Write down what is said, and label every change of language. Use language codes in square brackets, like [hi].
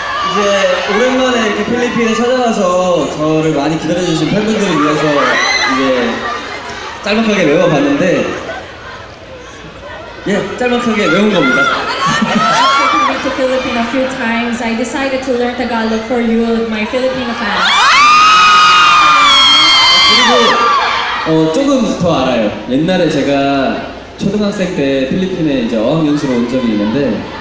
[ko] 이제 오랜만에 이렇게 필리핀에 찾아와서 저를 많이 기다려주신 팬분들을 위해서 이제 짤막하게 외워봤는데 예, 짤막하게 외운 겁니다. [en] To Philippine a few times, I decided to learn Tagalog for you, my Filipino fans. [ko] 그리고 조금 더 알아요. 옛날에 제가 초등학생 때 필리핀에 이제 어학연수로 온 적이 있는데.